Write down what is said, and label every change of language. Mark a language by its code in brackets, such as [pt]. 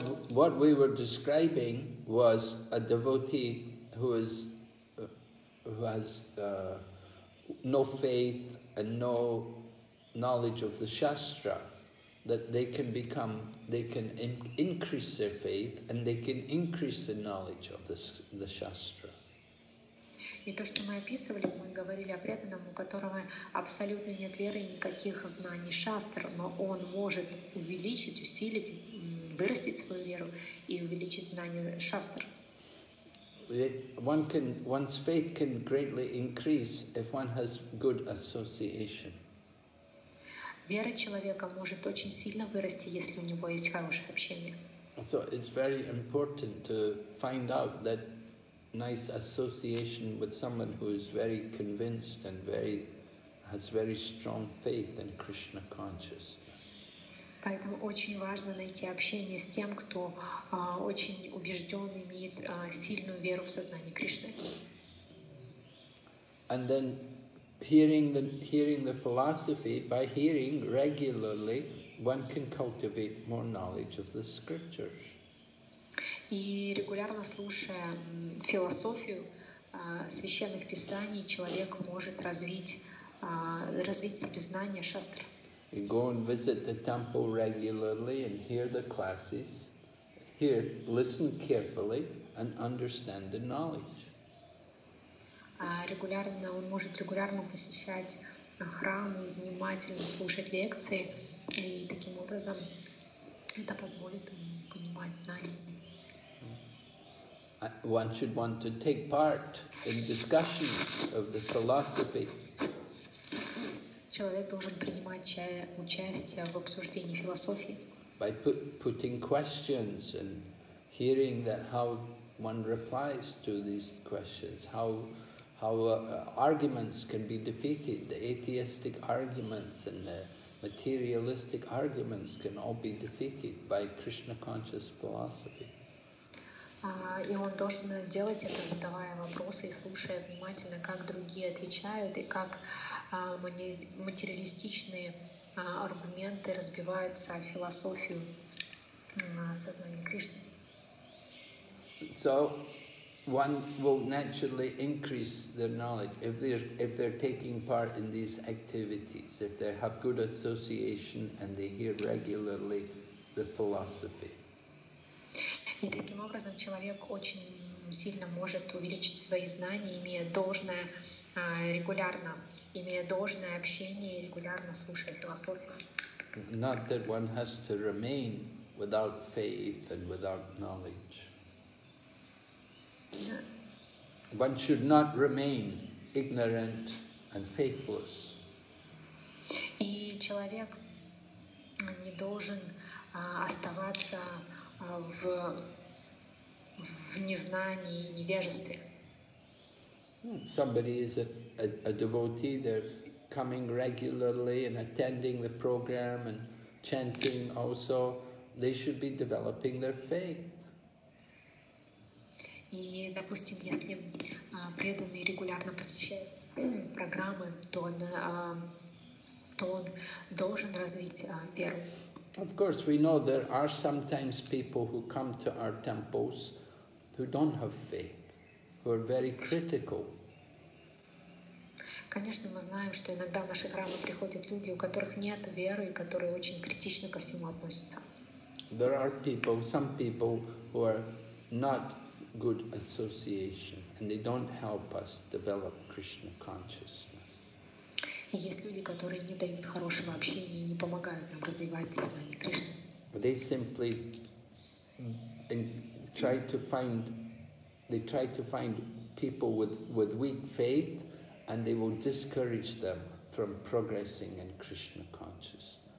[en] What we were describing was a devotee who has no faith and no knowledge of the Shastra, that they can become, they can increase their faith and they can increase the knowledge of the Shastra. [ru] И то, что мы описывали, мы говорили о преданном, у которого абсолютно нет веры и никаких знаний Шастр, но он может увеличить, усилить, вырастить свою веру и увеличить знания Шастр. [en] One's faith can greatly increase if one has good association. [ru] Вера человека может очень сильно вырасти, если у него есть хорошее общение. [en] So it's very important to find out that nice association with someone who is very convinced and very has very strong faith in Krishna consciousness. [ru] Поэтому очень важно найти общение с тем, кто очень убежден, имеет сильную веру в сознание Кришны. [en] And then hearing the philosophy, by hearing regularly, one can cultivate more knowledge of the scriptures. [ru] И регулярно слушая философию священных писаний, человек может развить себе знания шастр. [en] You go and visit the temple regularly and hear the classes. Hear, listen carefully and understand the knowledge. [ru] Регулярно он может регулярно посещать храм и внимательно слушать лекции, и таким образом это позволит ему понимать знания. [en] One should want to take part in discussions of the philosophy. [ru] Человек должен принимать участие в обсуждении философии. [en] By putting questions and hearing that how one replies to these questions, how arguments can be defeated, the atheistic arguments and the materialistic arguments can all be defeated by Krishna conscious philosophy. [ru] И он должен делать это, задавая вопросы и слушая внимательно, как другие отвечают, и как материалистичные аргументы разбиваются о философию сознания Кришны. [en] So one will naturally increase their knowledge if they're taking part in these activities, if they have good association and they hear regularly the philosophy. [ru] И таким образом человек очень сильно может увеличить свои знания, имея должное регулярно, имея должное общение и регулярно слушая философию. [en] Not that one has to remain without faith and without knowledge. One should not remain ignorant and faithless. [ru] И человек не должен оставаться в незнании и невежестве. [en] Somebody is a devotee, they're coming regularly and attending the program and chanting also, they should be developing their faith. [ru] И, допустим, если преданный регулярно посещает программы, то он должен развить веру. [en] Of course, we know there are sometimes people who come to our temples who don't have faith, who are very critical. [ru] Конечно, мы знаем, что иногда в наши храмы приходят люди, у которых нет веры и которые очень критично ко всему относятся. [en] There are people, some people who are not good association, and they don't help us develop Krishna consciousness. [ru] Есть люди, которые не дают хорошего общения и не помогают нам развивать сознание Кришны. [en] They simply try to find people with weak faith, and they will discourage them from progressing in Krishna consciousness.